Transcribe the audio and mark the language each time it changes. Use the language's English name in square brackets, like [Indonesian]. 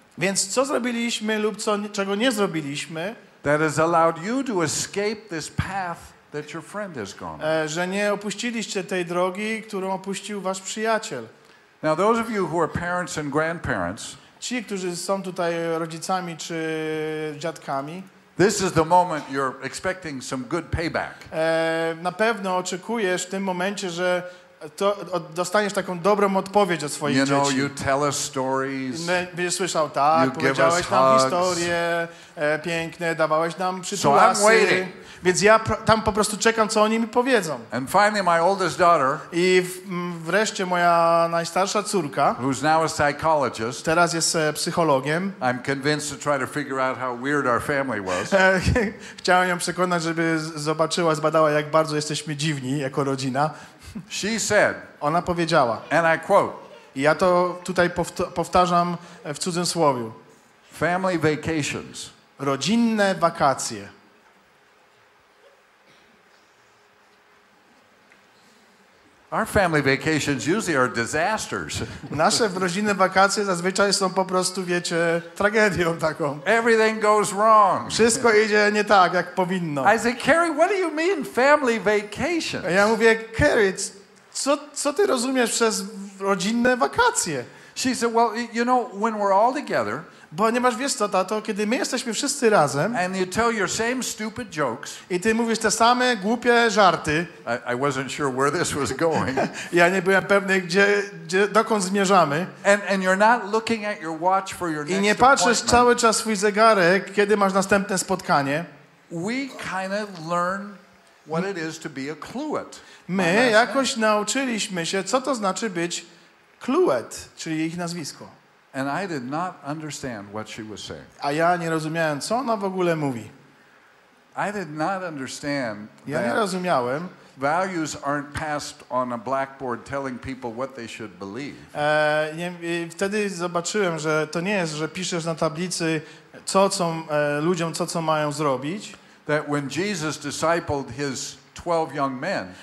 [Polish] Więc co zrobiliśmy lub co, czego nie zrobiliśmy? [English] That has allowed you to escape this path that your friend has gone. [Polish] Że nie opuściliście tej drogi, którą opuścił wasz przyjaciel. [English] Now, those of you who are parents and grandparents. [Polish] Ci, którzy są tutaj rodzicami czy dziadkami. [English] This is the moment you're expecting some good payback. [Polish] Na pewno oczekujesz w tym momencie, że to, dostaniesz taką dobrą odpowiedź od swoich [English] you know, [Polish] dzieci. [English] You tell us stories. [Polish] Będziesz słyszał tak, [English] you [Polish] powiedziałeś nam [English] hugs. [Polish] Historie piękne, dawałeś nam przytulasy. [English] So [Polish] więc ja tam po prostu czekam, co oni mi powiedzą. [English] And finally my oldest daughter, [Polish] i wreszcie moja najstarsza córka, [English] who's now a psychologist, [Polish] teraz jest psychologiem. [English] I'm convinced to try to figure out how weird our family was. [Polish] Chciałem ją przekonać, żeby zobaczyła, zbadała, jak bardzo jesteśmy dziwni jako rodzina. [English] She said, [Polish] ona powiedziała, [English] and I quote, [Polish] i ja to tutaj powtarzam w cudzysłowie, [English] family vacations, [Polish] rodzinne wakacje. [English] Our family vacations usually are disasters. [Polish] Nasze rodzinne wakacje zazwyczaj są po prostu, wiecie, tragedią taką. [English] Everything goes wrong. [Polish] Wszystko idzie nie tak, jak powinno. [English] I say, Carrie, what do you mean family vacations? [Polish] Ja mówię, Carrie, co ty rozumiesz przez rodzinne wakacje? [English] She said, well, you know, when we're all together. [Polish] Bo nie masz wiesz co, tato, kiedy my jesteśmy wszyscy razem. [English] And you tell your same stupid jokes. [Polish] I ty mówisz te same głupie żarty. [English] I wasn't sure where this was going. [Polish] Ja nie byłem pewny, gdzie dokąd zmierzamy. [English] And you're not looking at your watch for your next [Polish] i nie patrzysz cały czas swój zegarek, kiedy masz następne spotkanie. [English] We kind of learn what it is to be a cluet. [Polish] My jakoś nauczyliśmy się, co to znaczy być cluet, czyli ich nazwisko. [English] And I did not understand what she was saying. [Polish] A ja nie rozumiałem, co ona w ogóle mówi. [English] I did not understand. [Polish] Ja nie rozumiałem. [English] Values aren't passed on a blackboard telling people what they should believe. [Polish] Wtedy zobaczyłem, że to nie jest, że piszesz na tablicy ludziom co mają zrobić. [English] That when Jesus discipled his 12 young men.